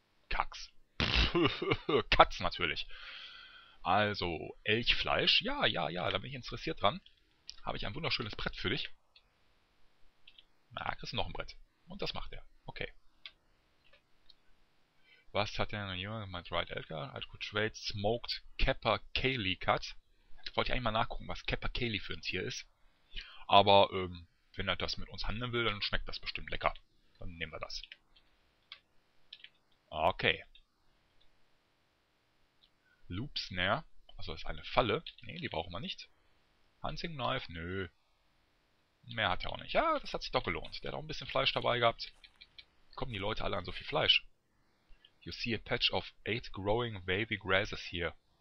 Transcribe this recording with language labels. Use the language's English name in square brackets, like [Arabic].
[German] Cucks. Cucks natürlich. Also, Elchfleisch. Ja, da bin ich interessiert dran. Habe ich ein wunderschönes Brett für dich. Na, kriegst du noch ein Brett. Und das macht er. Okay. Was hat der Junge? [English] Mein Dried Elka. I could trade smoked Capercaillie Cut. [German] Wollte ich eigentlich mal nachgucken, was Capercaillie für ein Tier ist. Aber wenn er das mit uns handeln will, dann schmeckt das bestimmt lecker. Dann nehmen wir das. Okay. Loopsnare. Also das ist eine Falle. Nee, die brauchen wir nicht. Hunting Knife, nö. Mehr hat er auch nicht. Ja, das hat sich doch gelohnt. Der hat auch ein bisschen Fleisch dabei gehabt. Wie kommen die Leute alle an so viel Fleisch? [English] You see a patch of 8 growing baby grasses here.